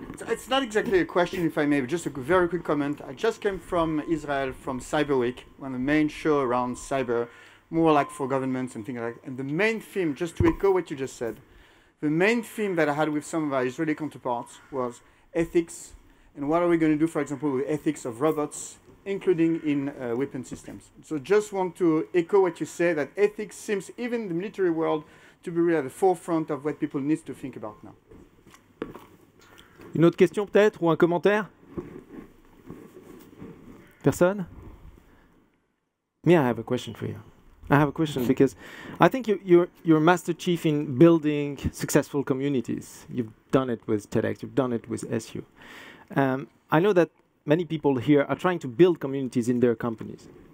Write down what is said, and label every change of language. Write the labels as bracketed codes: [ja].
[en] It's not exactly a question, if I may, but just a very quick comment. I just came from Israel, from Cyber Week, one of the main show around cyber, more like for governments and things like that. And the main theme, just to echo what you just said, the main theme that I had with some of our Israeli counterparts was ethics, and what are we going to do, for example, with ethics of robots, including in weapon systems. So just want to echo what you say, that ethics seems, even in the military world, to be really at the forefront of what people need to think about now. [fr] Une autre question peut-être, ou un commentaire ? Personne ? [en] Yeah, I have a question for you. I have a question because I think you're a master chief in building successful communities. You've done it with TEDx, you've done it with SU. I know that many people here are trying to build communities in their companies.